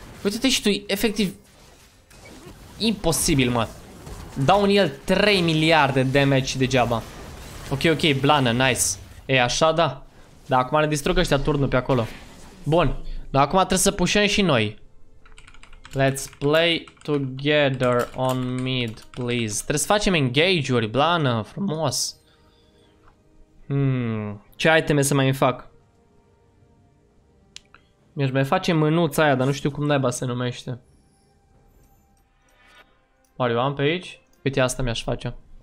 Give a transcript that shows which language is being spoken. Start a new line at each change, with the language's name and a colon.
Romanian: Uite-te și tu, efectiv... imposibil, mă. Dau în el 3 miliarde damage degeaba. Ok, blană, nice. E așa, da. Dar acum ne distrug ăștia turnul pe acolo. Bun. Dar acum trebuie să pușăm și noi.
English: Let's play together on mid, please.
Romanian: Trebuie să facem engage-uri, blană, frumos. Ce iteme să mai fac? Mi-aș mai face mânuța aia, dar nu știu cum naiba se numește. Oare eu am pe aici? Uite, asta mi-aș face.